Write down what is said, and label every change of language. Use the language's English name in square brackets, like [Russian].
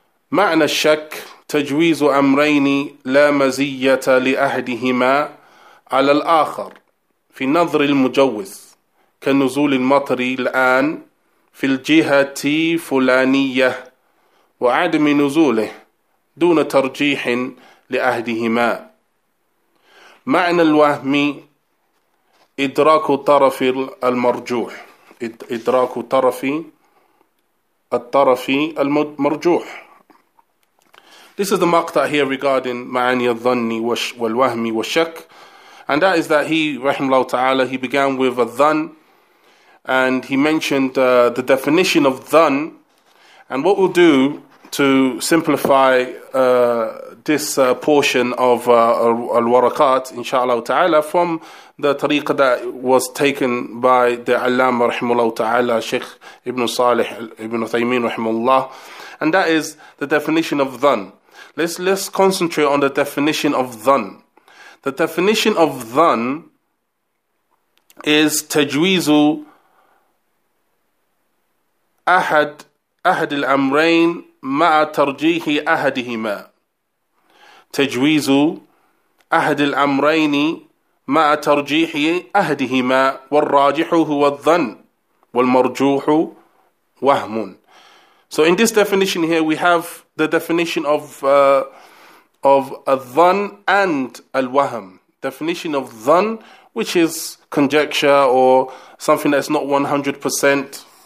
[Arabic] معنى الشك تجويز أمرين لا مزية لأهدهما على الآخر في نظر المجوز كنزول المطر الآن في الجهة فلانية وعدم نزوله دون ترجيح لأهدهما. معنى الوهم إدراك طرف المرجوح إدراك طرف الطرف المرجوح. [English] This is the مقطع here regarding [Arabic] معاني الظن والوهم والشك. [English] And that is that he, رحمه الله تعالى, he began with a dhan. And he mentioned the definition of dhan. And what we'll do to simplify this portion of al-waraqat, insha'Allah ta'ala, from the tariqa that was taken by the Allama rahimahullah ta'ala, Sheikh Ibn Salih Ibn Uthaymeen rahimahullah. And that is the definition of dhan. Let's concentrate on the definition of dhan. The definition of dhan is [Arabic] tajweezu ahad al-amrayn مع ترجيح أحدهما، تجويز أحد الأمرين مع ترجيح أحدهما، والراجح هو الظن والمرجوح وهم. [English] So in this definition here we have the definition of al-dhan and al-wahm. Definition of dhan, which is conjecture or something that's not 100%.